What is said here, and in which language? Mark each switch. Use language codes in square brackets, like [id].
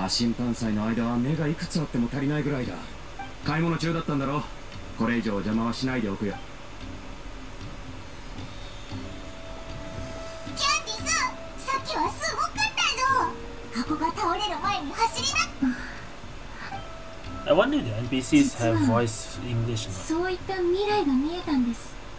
[ja] 過信探査の間は目がいくつあっても足りないぐらいだ。買い物中だったんだろ。これ以上邪魔はしないでおくよ。キャンディス、さっきはすごかったぞ。箱が倒れる前に走りな。 [en] I wonder if the NPCs have voice English. [ja] そういった未来が見えたんです。